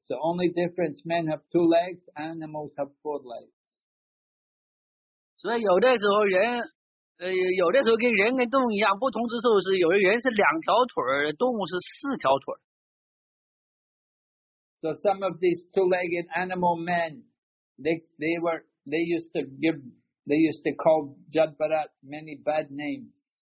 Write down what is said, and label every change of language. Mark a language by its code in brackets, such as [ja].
[en] The only difference, men have 2 legs, animals have 4 legs. [zh] 所以有的时候人。有的时候跟人跟动物一样，不同之处是有的人是2条腿，动物是4条腿。 [en] So some of these two-legged animal men, they used to call Jad Bharat many bad names.